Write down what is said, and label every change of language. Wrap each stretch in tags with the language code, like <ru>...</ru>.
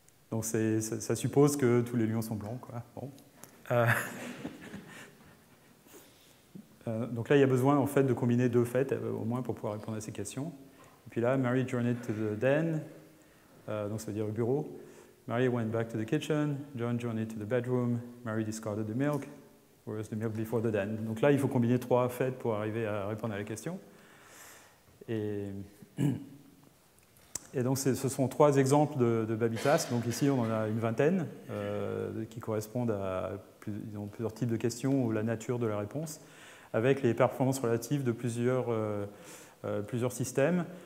<fr>Donc ça suppose que tous les lions sont blancs, quoi. Bon. Donc là, il y a besoin en fait de combiner deux faits au moins pour pouvoir répondre à ces questions. Et puis là,</fr> <en>Mary journeyed to the den,</en> <fr>donc ça veut dire le bureau.</fr> <en>Mary went back to the kitchen. John journeyed to the bedroom. Mary discarded the milk. Where was the milk before the den?</en> <fr>Donc là, il faut combiner trois faits pour arriver à répondre à la question. Et donc, ce sont trois exemples de baby tasks. Donc ici, on en a une vingtaine qui correspondent à plusieurs types de questions ou la nature de la réponse, avec les performances relatives de plusieurs systèmes.</fr>